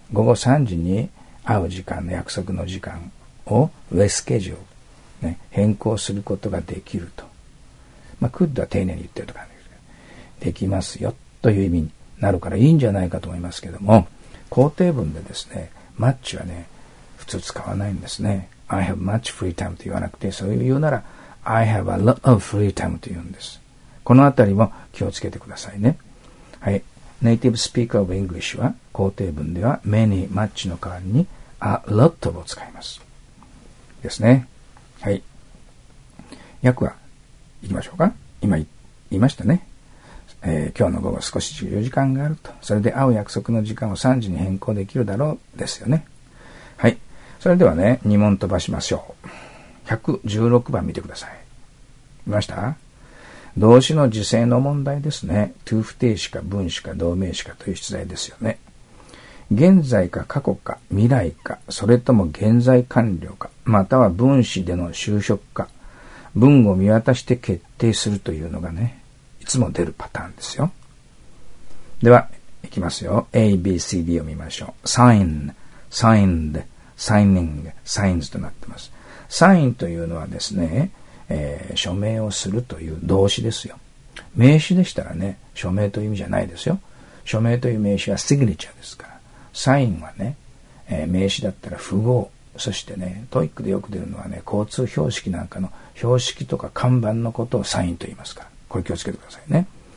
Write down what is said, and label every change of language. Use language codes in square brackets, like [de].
[ja] 午後3時に会う時間の約束の時間を reschedule、ね、変更することができると。まあ、could は丁寧に言ってるとかね。できますよ、という意味になるからいいんじゃないかと思いますけども、肯定文でですね、match はね、普通使わないんですね。 [en] I have much free time [ja] と言わなくて、そういう言うなら、 [en] I have a lot of free time [ja] と言うんです。このあたりも気をつけてくださいね。はい。 [en] Native speaker of English [ja] は、肯定文では、many, much の代わりに、a lot of を使います。ですね。はい。訳は、いきましょうか。今、言いましたね。今日の午後少し自由時間があると。それで会う約束の時間を3時に変更できるだろう、ですよね。はい。それではね、2問飛ばしましょう。116番見てください。見ました? 動詞の時制の問題ですね。to 不定詞か分詞か同名詞かという出題ですよね。現在か過去か未来か、それとも現在完了か、または分詞での就職か、文を見渡して決定するというのがね、いつも出るパターンですよ。では、いきますよ。 A, B, C, D を見ましょう。 sign, signed, signing, signs となってます。 sign というのはですね、署名をするという動詞ですよ。名詞でしたらね、署名という意味じゃないですよ。署名という名詞は signature ですから。 sign はね、名詞だったら符号。そしてね、トイックでよく出るのはね、交通標識なんかの標識とか看板のことを sign と言いますから。これ気をつけてくださいね。